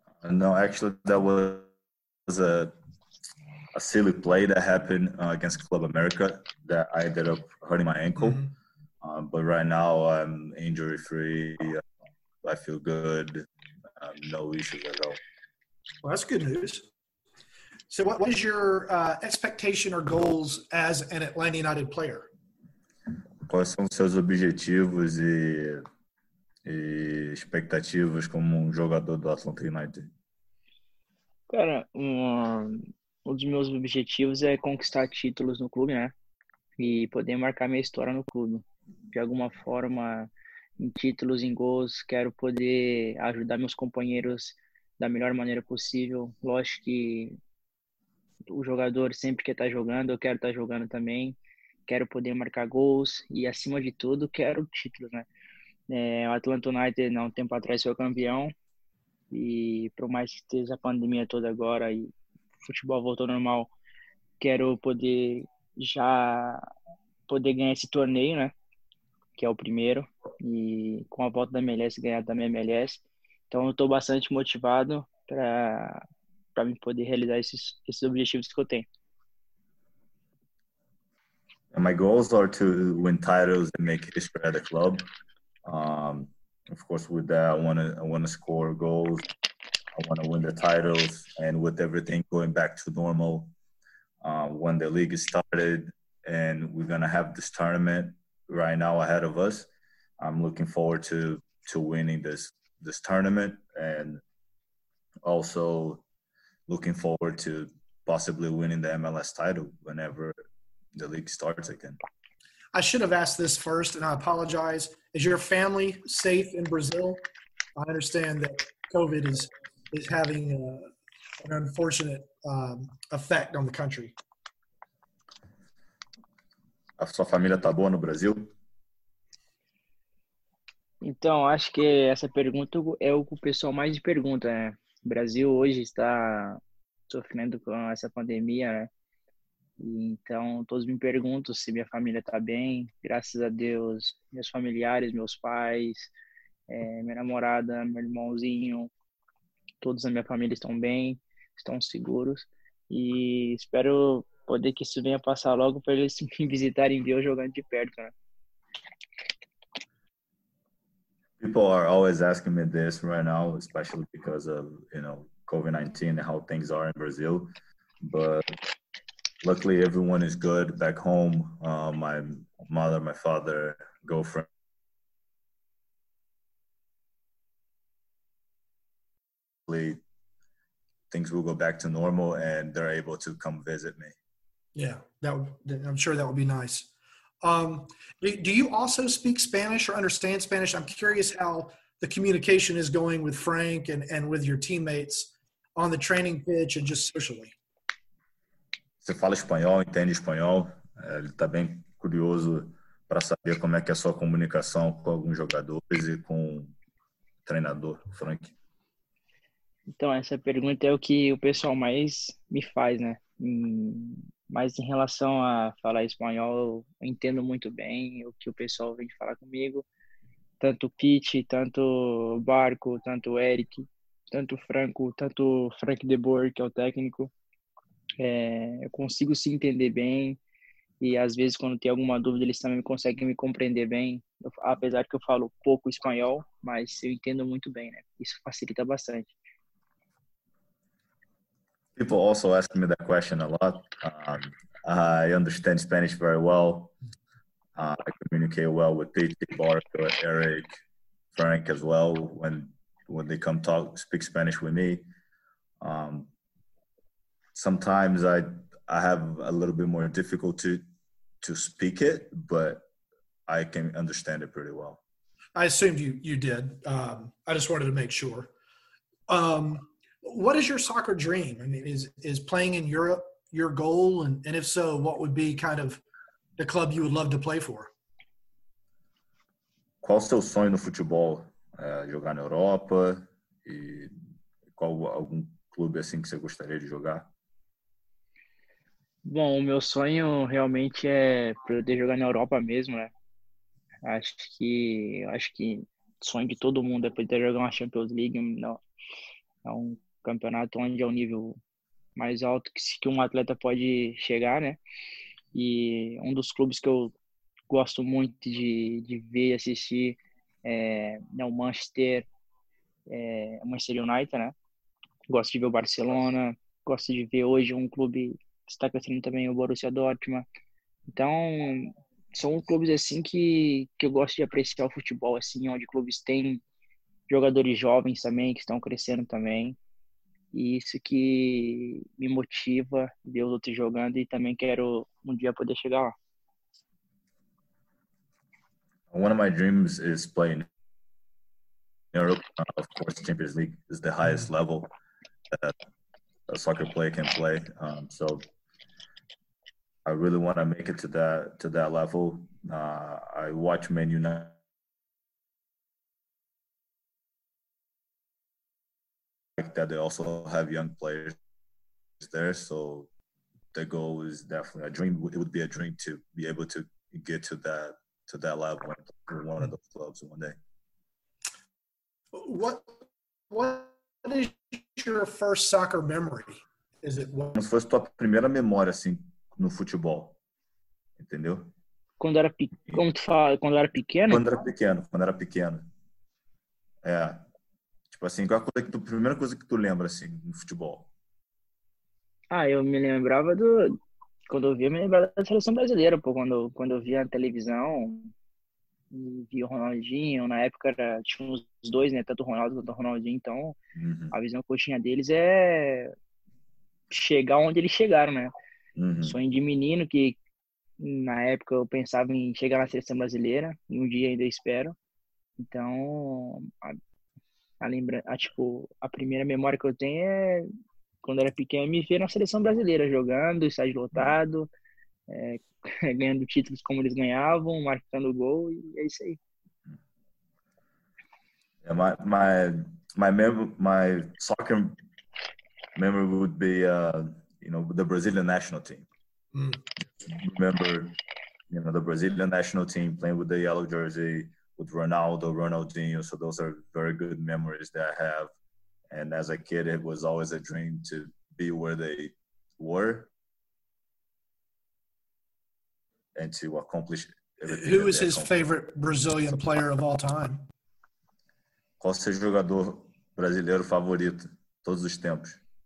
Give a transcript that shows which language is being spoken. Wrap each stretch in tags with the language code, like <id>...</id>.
<en>No, actually, that was a silly play that happened against Club America that I ended up hurting my ankle. Mm-hmm. But right now I'm injury free. I feel good. No issues at all. Well, that's good news. So what is your expectation or goals as an Atlanta United player?</en> <pt>Quais são seus objetivos e expectativas como jogador do Atlanta United? Cara, um dos meus objetivos é conquistar títulos no clube, né? E poder marcar minha história no clube. De alguma forma, em títulos, em gols, quero poder ajudar meus companheiros da melhor maneira possível. Lógico que o jogador sempre quer estar jogando, eu quero estar jogando também. Quero poder marcar gols e, acima de tudo, quero títulos, né? O Atlanta United, há um tempo atrás, foi campeão. E por mais que esteja a pandemia toda agora e o futebol voltou ao normal, quero poder ganhar esse torneio, né? Que é o primeiro. E com a volta da MLS, ganhar também a MLS. Então eu estou bastante motivado para me poder realizar esses objetivos que eu tenho.</pt> <en>My goals are to win titles and make history at the club. Of course, with that, I want to score goals. I want to win the titles, and with everything going back to normal, when the league is started, and we're gonna have this tournament right now ahead of us, I'm looking forward to winning this tournament, and also looking forward to possibly winning the MLS title whenever the league starts again. I should have asked this first, and I apologize. Is your family safe in Brazil? I understand that COVID is having an unfortunate effect on the country.</en> <pt>A sua família tá boa no Brasil? Então, acho que essa pergunta é o que o pessoal mais pergunta, né? O Brasil hoje está sofrendo com essa pandemia, né? Então, todos me perguntam se minha família está bem. Graças a Deus, meus familiares, meus pais, minha namorada, meu irmãozinho, todos na minha família estão bem, estão seguros. E espero poder que isso venha passar logo para eles me visitarem e ver eu jogando de perto, né?</pt> <en>People are always asking me this right now, especially because of, you know, COVID-19 and how things are in Brazil. But luckily, everyone is good back home. My mother, my father, girlfriend. Hopefully, things will go back to normal and they're able to come visit me. Yeah, I'm sure that would be nice. Do you also speak Spanish or understand Spanish? I'm curious how the communication is going with Frank and with your teammates on the training pitch and just socially.</en> <pt>Você fala espanhol, entende espanhol? Ele está bem curioso para saber como é que é a sua comunicação com alguns jogadores e com o treinador, Frank. Então, essa pergunta é o que o pessoal mais me faz, né? Mas em relação a falar espanhol, eu entendo muito bem o que o pessoal vem falar comigo. Tanto o Pete, tanto o Barco, tanto o Eric, tanto o Franco, tanto o Frank De Boer, que é o técnico. Eu consigo se entender bem. E às vezes, quando tem alguma dúvida, eles também conseguem me compreender bem. Apesar que eu falo pouco espanhol, mas eu entendo muito bem, né? Isso facilita bastante.</pt> <en>People also ask me that question a lot. I understand Spanish very well. I communicate well with Pete, Barco, Eric, Frank as well when they come speak Spanish with me. Sometimes I have a little bit more difficulty to speak it, but I can understand it pretty well. I assumed you did. I just wanted to make sure. What is your soccer dream? I mean, is playing in Europe your goal? And if so, what would be kind of the club you would love to play for?</en> <pt>Qual seu sonho no futebol? Jogar na Europa? E qual algum clube assim que você gostaria de jogar? Bom, o meu sonho realmente é poder jogar na Europa mesmo, né? Acho que o sonho de todo mundo é poder jogar uma Champions League. Campeonato onde é o nível mais alto que um atleta pode chegar, né? E um dos clubes que eu gosto muito de ver e assistir é o Manchester United, né? Gosto de ver o Barcelona, gosto de ver hoje um clube que está crescendo também, o Borussia Dortmund. Então, são clubes assim que eu gosto de apreciar o futebol, assim, onde clubes têm jogadores jovens também, que estão crescendo também. E isso que me motiva ver os outros jogando e também quero um dia poder chegar lá.</pt> <en>One of my dreams is playing in Europe. Of course, Champions League is the highest level that a soccer player can play. So I really want to make it to that level. I watch Man United. That they also have young players there, so the goal is definitely a dream. It would be a dream to be able to get to that level in one of those clubs one day. What is your first soccer memory? Is it</en> <pt>como se fosse tua primeira memória assim no futebol, entendeu? Quando era pequeno. É. Tipo assim, qual é a primeira coisa que tu lembra, assim, no futebol? Ah, eu me lembrava do... Quando eu via, me lembrava da seleção brasileira, pô. Quando eu via na televisão, via o Ronaldinho, na época tinha uns dois, né? Tanto o Ronaldo quanto o Ronaldinho. Então, A visão que eu tinha deles é chegar onde eles chegaram, né? Sonho de menino que, na época, eu pensava em chegar na seleção brasileira. E um dia ainda espero. Então... A primeira memória que eu tenho é quando era pequeno, me ver na seleção brasileira jogando, estádio lotado, ganhando títulos como eles ganhavam, marcando gol, e é isso aí.</pt> <en>My soccer memory would be the Brazilian national team. Remember, the Brazilian national team playing with the yellow jersey with Ronaldo, Ronaldinho. So those are very good memories that I have. And as a kid, it was always a dream to be where they were and to accomplish everything Who that is they his accomplished. favorite Brazilian player of all time?</en> <pt>Qual seu jogador brasileiro favorito todos os tempos?</pt>